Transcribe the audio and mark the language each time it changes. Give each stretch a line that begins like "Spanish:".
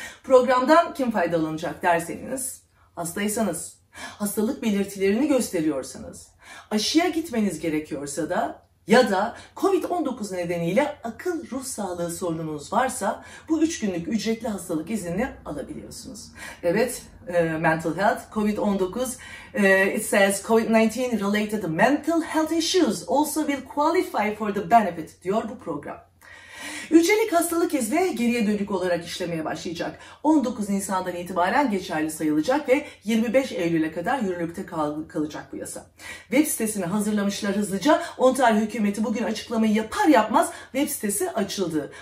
Turkish: Programdan kim faydalanacak derseniz, hastaysanız, hastalık belirtilerini gösteriyorsanız, aşıya gitmeniz gerekiyorsa da ya da COVID-19 nedeniyle akıl ruh sağlığı sorununuz varsa bu 3 günlük ücretli hastalık iznini alabiliyorsunuz. Evet,
English: mental health, COVID-19, it says COVID-19 related mental health issues also will qualify for the benefit
Turkish: diyor bu program. Ücretlik hastalık izni geriye dönük olarak işlemeye başlayacak. 19 Nisan'dan itibaren geçerli sayılacak ve 25 Eylül'e kadar yürürlükte kalacak bu yasa. Web sitesini hazırlamışlar hızlıca. Ontario hükümeti bugün açıklamayı yapar yapmaz web sitesi açıldı.